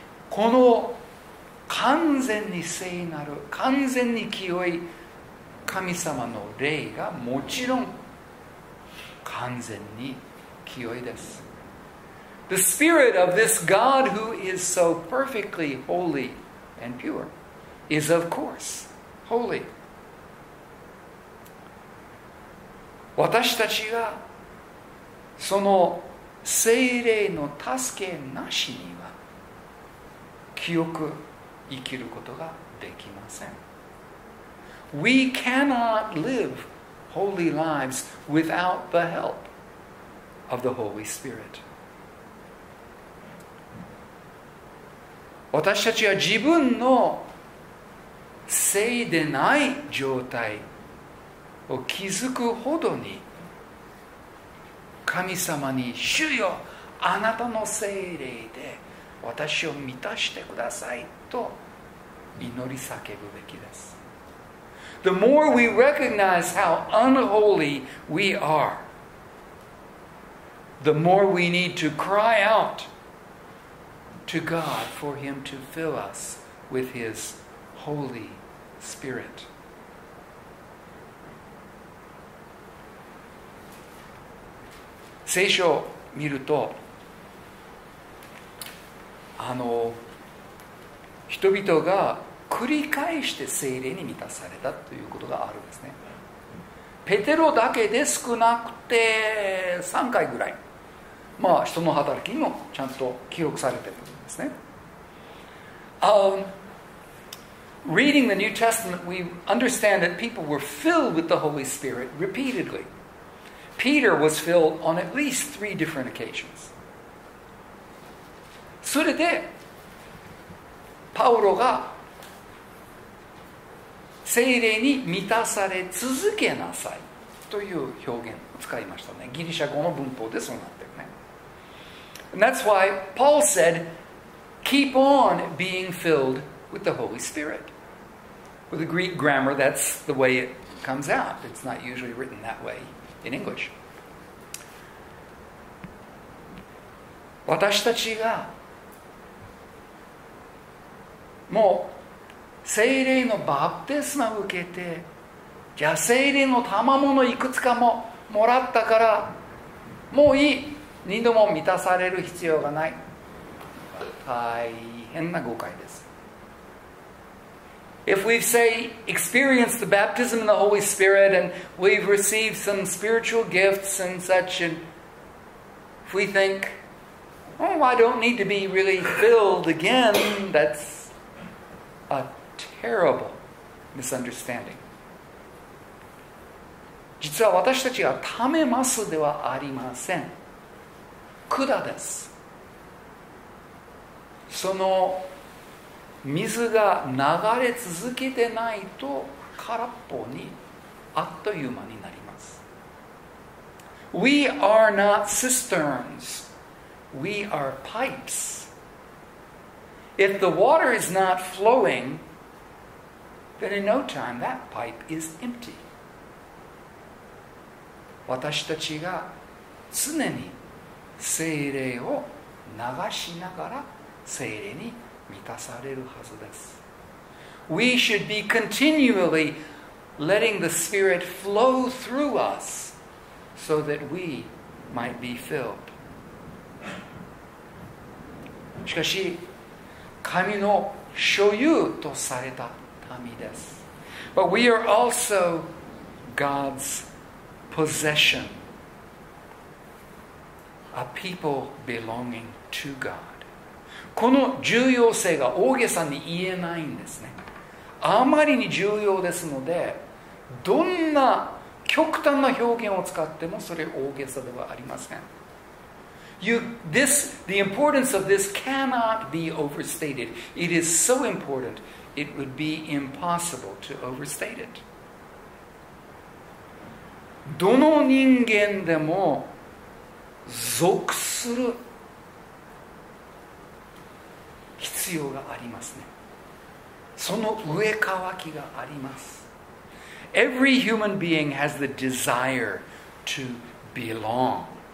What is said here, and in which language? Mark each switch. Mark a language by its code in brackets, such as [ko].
[ja] この完全に聖なる、完全に清い神様の霊がもちろん完全に清いです。 [en] The spirit of this God who is so perfectly holy and pure is of course holy. [ja] 私たちがその聖霊の助けなしには清く生きることができません。 [en] We cannot live holy lives without the help of the Holy Spirit. [ja] 私たちは自分の聖でない状態を気づくほどに神様に主よあなたの聖霊で私を満たしてくださいと祈り叫ぶべきです。 [en] The more we recognize how unholy we are, the more we need to cry out to God for Him to fill us with His Holy Spirit. [ja] 聖書を見ると、人々が繰り返して聖霊に満たされたということがあるんですね。ペテロだけで少なくて3回ぐらい、まあ人の働きにもちゃんと記録されてるんですね。 [en] Reading the New Testament, we understand that people were filled with the Holy Spirit repeatedly. Peter was filled on at least three different occasions. [ja] それで、パウロが聖霊に満たされ続けなさいという表現を使いましたね。ギリシャ語の文法でそうなってるね。 [en] And that's why Paul said, keep on being filled with the Holy Spirit. With the Greek grammar, that's the way it comes out. It's not usually written that way in English. [ja] 私たちがもう聖霊のバプテスマを受けて、じゃあ聖霊の賜物いくつかももらったからもういい、二度も満たされる必要がない、大変な誤解です。 [en] If we say experience the baptism in the Holy Spirit and we've received some spiritual gifts and such, and if we think, oh, I don't need to be really filled again, that's a terrible misunderstanding. [ja] 実は私たちがためますではありません。管です。その水が流れ続けてないと空っぽにあっという間になります。 [en] We are not cisterns. We are pipes. If the water is not flowing, then in no time that pipe is empty. [ja] 私たちが常に聖霊を流しながら聖霊に満たされるはずです。 [en] We should be continually letting the Spirit flow through us so that we might be filled. [ja] しかし、神の所有とされた民です。 [en] But we are also God's possession, a people belonging to God. [ja] この重要性が大げさに言えないんですね。あまりに重要ですので、どんな極端な表現を使ってもそれ大げさではありません。 [en] The importance of this cannot be overstated. It is so important, it would be impossible to overstate it. [ja] どの人間でも属する必要がありますね。その上乾きがあります。 [en] Every human being has the desire to belong.